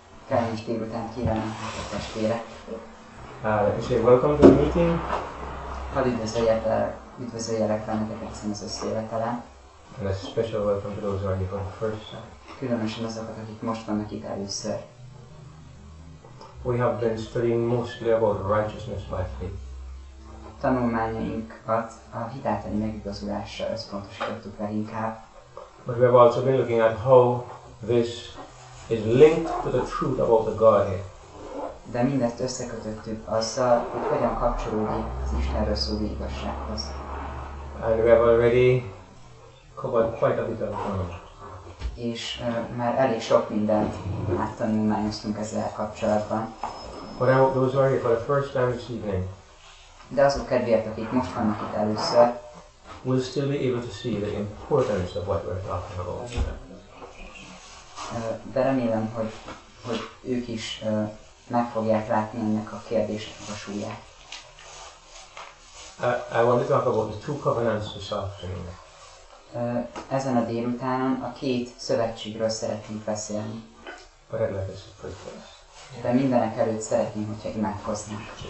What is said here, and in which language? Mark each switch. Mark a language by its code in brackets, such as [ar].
[hu] Kedves délután kívánok a testvérek. [en] Let me say welcome to the meeting. [hu] Hadd üdvözöljelek benneteket az összejövetelen. [en] And a special welcome to those who are here for the first time. [hu] Különösen azokat, akik most vannak itt először. [en] We have been studying mostly about righteousness by faith. [hu] Tanulmányainkat a hitáltani megigazulással összpontosítottuk leginkább. [en] But we have also been looking at how this is linked to the truth about the Godhead. [hu] De mindezt összekötöttük azzal, hogy hogyan kapcsolódik az Istenről szóló igazsághoz. [en] And we have already covered quite a bit of it. [hu] És már elég sok mindent áttanulmányoztunk ezzel kapcsolatban. [en] But I hope those are here for the first time this evening. [hu] De azok kedvéért, akik most vannak itt először, [en] we'll still be able to see the importance of what we're talking about. [hu] De remélem, hogy ők is meg fogják látni ennek a kérdésnek a súlyát. [en] I want to talk about the two covenants this afternoon. [hu] Ezen a délutánon a két szövetségről szeretnénk beszélni. [en] But I'd like to pray for us. [hu] De mindenek előtt szeretném, hogyha imádkoznánk.